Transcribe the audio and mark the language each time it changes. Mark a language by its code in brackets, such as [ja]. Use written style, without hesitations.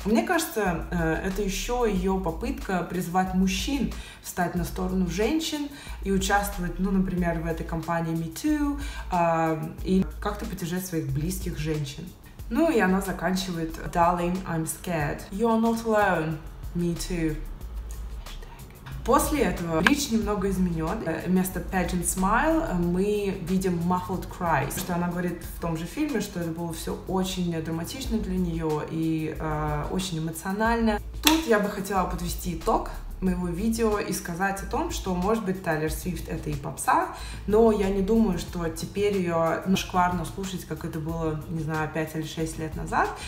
[ru] Мне кажется, это еще ее попытка призвать мужчин встать на сторону женщин и участвовать, ну, например, в этой компании Me Too и как-то поддержать своих близких женщин. Ну, и она заканчивает [en] «Darling, I'm scared». «You're not alone, Me Too». [ru] После этого речь немного изменен. Вместо [en] pageant smile [ru] мы видим [en] muffled cries. [ru] Что она говорит в том же фильме, что это было все очень драматично для нее и очень эмоционально. Тут я бы хотела подвести итог моего видео и сказать о том, что, может быть, Тейлор Свифт — это и попса, но я не думаю, что теперь ее шкварно слушать, как это было, не знаю, 5 или 6 лет назад.